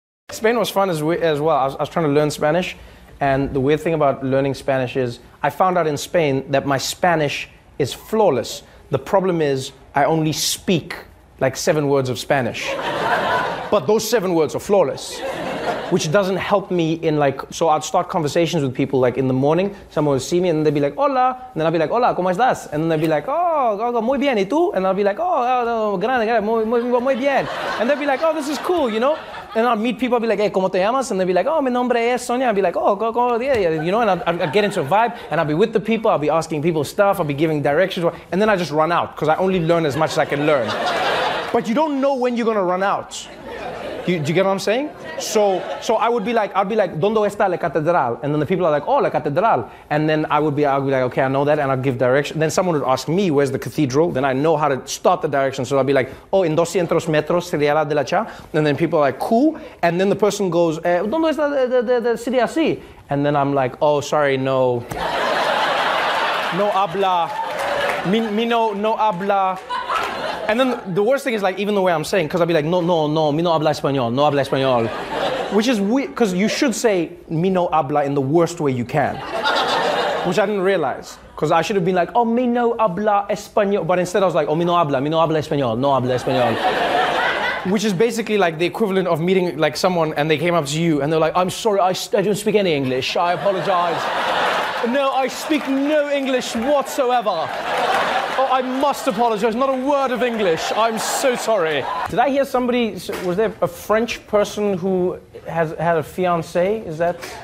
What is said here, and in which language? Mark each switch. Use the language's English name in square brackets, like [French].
[English] Spain was fun as well. I was trying to learn Spanish. And the weird thing about learning Spanish is I found out in Spain that my Spanish is flawless. The problem is I only speak like 7 words of Spanish. But those 7 words are flawless, which doesn't help me in like, so I'd start conversations with people like in the morning, someone would see me and they'd be like, [Spanish] hola. [English] And then I'd be like, [Spanish] hola, ¿cómo estás? [English] And then they'd be like, oh, [Spanish] muy bien, ¿y tú? [English] And I'd be like, [Spanish] grande, muy bien. [English] And they'd be like, oh, this is cool, you know? And I'd meet people, I'd be like, hey, [Spanish] ¿cómo te llamas? [English] And they'd be like, oh, [Spanish] mi nombre es Sonia. [English] I'd be like, oh, yeah, you know? And I'd get into a vibe and I'd be with the people, I'd be asking people stuff, I'd be giving directions. And then I just run out because I only learn as much as I can learn. But you don't know when you're gonna run out. Do you get what I'm saying? So I'd be like, [Spanish] ¿dónde está la catedral? [English] And then the people are like, oh, [Spanish] la catedral. [English] And then I'd be like, okay, I know that, and I'd give direction. Then someone would ask me, where's the cathedral? Then I know how to start the direction. So I'd be like, oh, [Spanish] en 200 metros sería la de la cha. [English] And then people are like, cool. And then the person goes, [Spanish] ¿dónde está la city así? [English] And then I'm like, oh, sorry, no. [Spanish] No habla. Mi no habla. [English] And then the worst thing is like, even the way I'm saying, cause I'd be like, no, [Spanish] mi no habla español, no habla español. [English] Which is weird, cause you should say [Spanish] mi no habla [English] in the worst way you can. Which I didn't realize. Cause I should have been like, oh, [Spanish] mi no habla español. [English] But instead I was like, oh, [Spanish] mi no habla español, no habla español. [English] Which is basically like the equivalent of meeting like someone and they came up to you and they're like, I'm sorry, I don't speak any English, I apologize. No, I speak no English whatsoever. Oh, I must apologize, not a word of English. I'm so sorry. Did I hear somebody, was there a French person who has had a fiance? Is that?